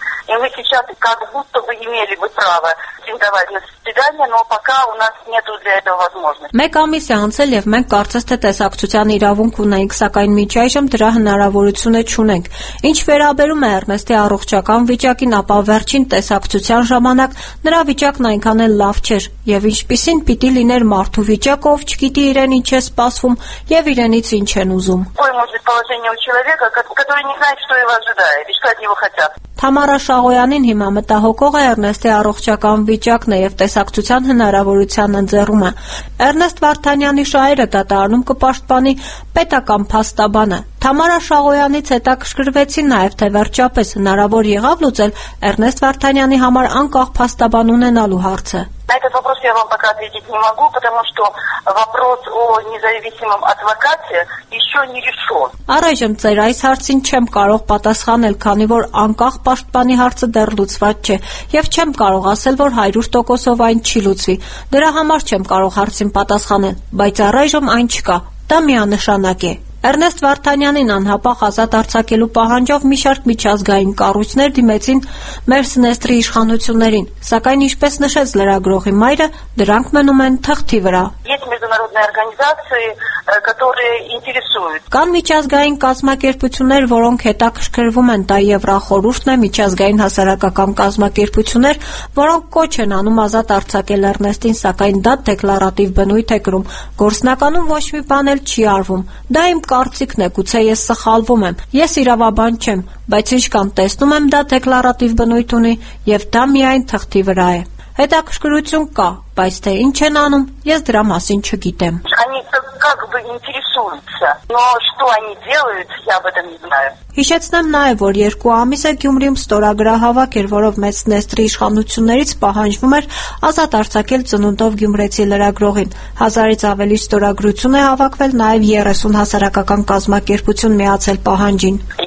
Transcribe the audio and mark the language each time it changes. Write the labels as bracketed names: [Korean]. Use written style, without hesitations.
[Russian] И мы сейчас как будто бы имели бы право претендовать на свидание, но пока у нас нету для этого возможности. [Armenian] Մեկ ամիս է անցել եւ մենք կարծես թե տեսակցության իրավունք ունենք, սակայն միջայժմ դրա հնարավորությունը չունենք։ Ինչ վերաբերում է Էրնեստի առողջական վիճակին, ապա վերջին տեսակցության ժամանակ նրա վիճակն այնքան էլ լավ չէր, եւ ինչպիսին պիտի լիներ մարդու վիճակը, ով չգիտի իրեն ինչ է սպասվում եւ իրենից ինչ են ուզում։ [Russian] Ой, может положение у человека, который не знает, что его ожидает, и что от него хотят. [Armenian] Թամարա Շահոյանին հիմա մտահոգող է Էրնեստի առողջական վիճակն եւ տեսակցության հնարավորության ընձեռումը։ Էրնեստ Վարդանյանի շահերը դատարանում կպաշտպանի պետական փաստաբանը։ Թամարա Շահոյանից հետաքրքրվեցին նաեւ, թե վերջապես հնարավոր եղավ լուծել Էրնեստ Վարդանյանի համար անկախ փաստաբան ունենալու հարցը։ [Russian] На этот вопрос я вам пока ответить не могу, потому что вопрос о независимом адвокате еще не решен. [Armenian] Առայժմ ծեր այս հարցին չեմ կարող պատասխանել, քանի որ անկախ պաշտպանի հարցը դեռ լուծված չէ, եւ չեմ կարող ասել, որ 100%-ով այն չի լուծվի։ Դրա համար չեմ կարող հարցին պատասխանել, բայց առայժմ այն չկա։ Դա միանշանակ է։ Էրնեստ Վարդանյանին անհապաղ ազատ արձակելու պահանջով մի շարք միջազգային կառույցներ դիմեցին Մերս Նեստրի իշխանություններին, սակայն ինչպես նշեց լրագրողի մայրը, դրանք մնում են թղթի վրա։ Կան միջազգային կազմակերպություններ, որոնք հետաքրքրվում են, դա Եվրախորհուրդն է, միջազգային հասարակական կազմակերպություններ, որոնք կոչ են անում ազատ արձակել Էրնեստին, սակայն դա դեկլարատիվ բնույթ է կրում, գործնականում ոչ մի բան էլ չի արվում։ Դա իմ կարծիքն է, գուցե ես սխալվում եմ, ես իրավաբան չեմ, բայց ինչ կան տեսնում եմ, դա դեկլարատիվ բնույթ ունի և դա միայն թղթի վրա է։ Հետաքրքրություն կա, բայց թե ինչ են անում, ես դրա մասին չգիտեմ։ [Russian] как бы интересуются. Но что они делают, я об этом не знаю. [Armenian] Հիշեցնեմ նաև, որ երկու ամիս է Գյումրիում ստորագրահավաք էր, որով մեծ նեստրի իշխանություններից պահանջվում էր ազատ արձակել ծնունդով գյումրեցի լրագրողին։ Հազարից ավելի ստորագրություն է հավաքվել նաև 30 հասարակական կազմակերպություն միացել պահանջին։